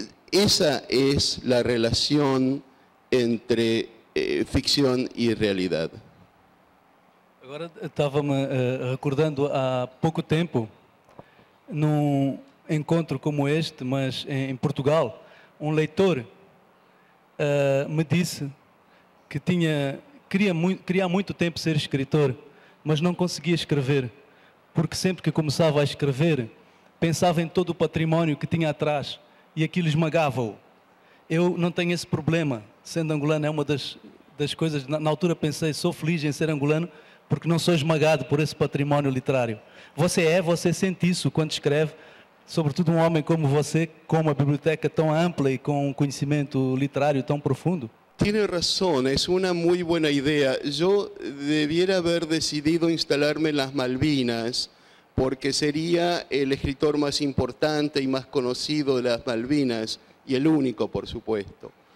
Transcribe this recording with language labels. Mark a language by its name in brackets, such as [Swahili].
[Spanish] Esa es la relación entre ficción y realidad. [Portuguese] Agora estava-me recordando há pouco tempo, num encontro como este, mas em Portugal, um leitor me disse que queria há muito tempo ser escritor, mas não conseguia escrever, porque sempre que começava a escrever, pensava em todo o património que tinha atrás e aquilo esmagava-o. Eu não tenho esse problema, sendo angolano é uma das coisas, na altura pensei, sou feliz em ser angolano, porque não sou esmagado por esse património literário. Você sente isso quando escreve, sobretudo um homem como você, com uma biblioteca tão ampla e com um conhecimento literário tão profundo? [Spanish] Tiene razón, es una muy buena idea. Yo debiera haber decidido instalarme en las Malvinas, porque sería el escritor más importante y más conocido de las Malvinas, y el único, por supuesto.